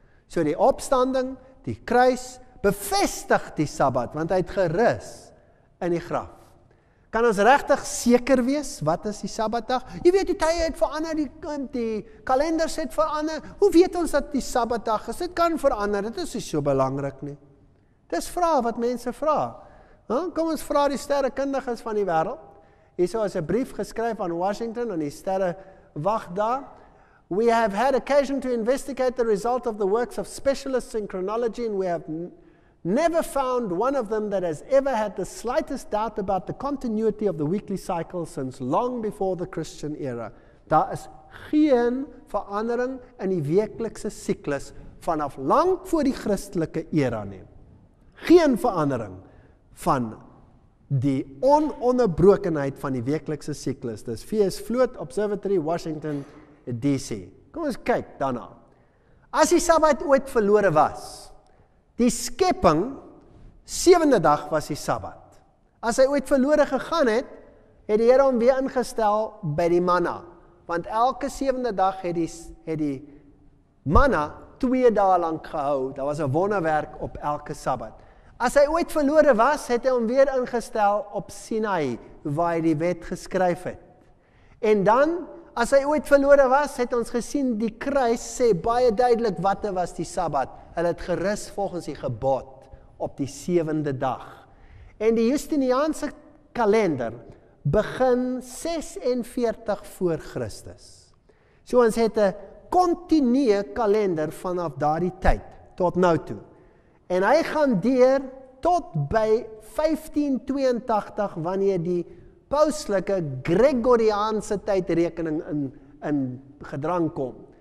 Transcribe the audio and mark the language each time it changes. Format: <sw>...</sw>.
<af>So die opstanding, die kruis, bevestig die Sabbat, want hy het gerus in die graf. Kan ons regtig seker wees, wat is die Sabbatdag? Jy weet, die tye het verander, die kalenders het verander. Hoe weet ons dat die Sabbatdag is? Dit kan verander, dit is nie so belangrik nie. Dis vraag wat mense vraag. Kom ons vraag die sterrekundiges van die wereld. Hier so is een brief geskryf aan Washington, en die sterre wacht daar.</af> <en>We have had occasion to investigate the result of the works of specialists in chronology, and we have never found one of them that has ever had the slightest doubt about the continuity of the weekly cycle since long before the Christian era.</en> <af>Daar is geen verandering in die wekelijkse cyclus vanaf lang voor die christelijke era nie. Geen verandering van die ononderbrokenheid van die wekelijkse cyclus. Dus VS Float Observatory, Washington, D.C. Kom eens kyk daarna. As die Sabbat ooit verloren was, die skepping, sewende dag was die Sabbat. As hy ooit verloren gegaan het, het die Heer hom weer ingestel by die manna. Want elke sewende dag het die manna 2 dae lang gehou. Dat was een wonderwerk op elke Sabbat. As hy ooit verloren was, het hy hom weer ingestel op Sinai, waar hy die wet geskryf het. En dan, as hy ooit verloren was, het ons gesien die kruis sê baie duidelik wat was die Sabbat. Hulle het gerus volgens die gebod op die sewende dag. En die Justiniaanse kalender begin 46 voor Christus. So ons het 'n continue kalender vanaf daardie tyd tot nou toe. En hy gaan deur tot by 1582 wanneer die pauslike Gregoriaanse tydrekening in gedrang kom.</af>